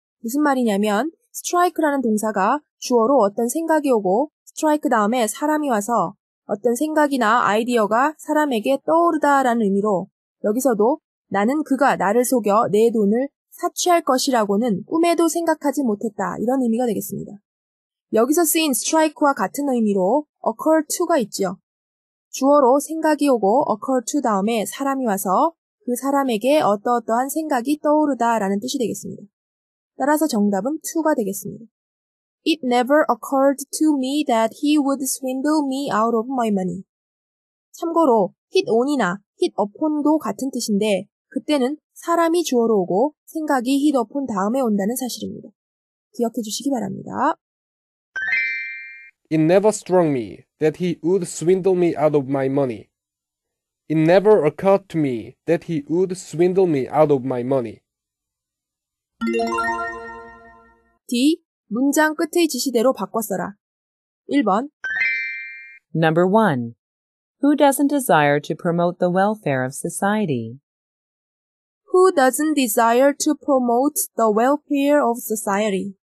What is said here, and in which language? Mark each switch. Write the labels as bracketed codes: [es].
[ko] 무슨 말이냐면 strike라는 동사가 주어로 어떤 생각이 오고 strike 다음에 사람이 와서 어떤 생각이나 아이디어가 사람에게 떠오르다 라는 의미로 여기서도 나는 그가 나를 속여 내 돈을 사취할 것이라고는 꿈에도 생각하지 못했다 이런 의미가 되겠습니다. 여기서 쓰인 strike와 같은 의미로 occur to가 있죠. 주어로 생각이 오고 occur to 다음에 사람이 와서 그 사람에게 어떠어떠한 생각이 떠오르다 라는 뜻이 되겠습니다. 따라서 정답은 to가 되겠습니다. [en] It never occurred to me that he would swindle me out of my money. [ko] 참고로 hit on이나 hit upon도 같은 뜻인데 그때는 사람이 주어로 오고 생각이 hit upon 다음에 온다는 사실입니다. 기억해 주시기 바랍니다. [en] It never struck me that he would swindle me out of my money. It never occurred to me that he would swindle me out of my money. D. [ko] 문장 끝의 지시대로 바꿨어라. 1번. [en] Number 1. Who doesn't desire to promote the welfare of society? Who doesn't desire to promote the welfare of society?